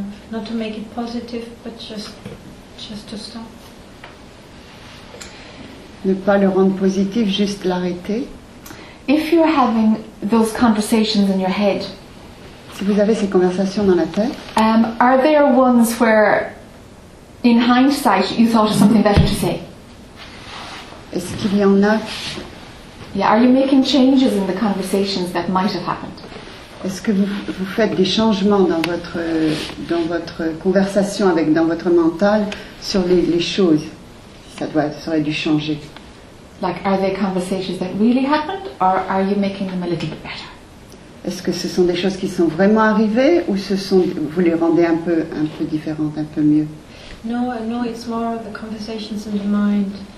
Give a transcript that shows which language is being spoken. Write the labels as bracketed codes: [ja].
[en] not to make it positive, but just to stop. [fr] Ne pas le rendre positif, juste l'arrêter. [en] If you're having those conversations in your head, [fr] si vous avez ces conversations dans la tête, [en] are there ones where, in hindsight, you thought of something better to say? [fr] Est-ce qu'il y en a? [en] Yeah, are you making changes in the conversations that might have happened? [fr] Est-ce que vous faites des changements dans votre conversation avec dans votre mental sur les choses? Ça serait dû changer. [en] Like, are there conversations that really happened, or are you making them a little bit better? [fr] Est-ce que ce sont des choses qui sont vraiment arrivées, ou vous les rendez un peu différentes, un peu mieux? [en] No, it's more the conversations in the mind.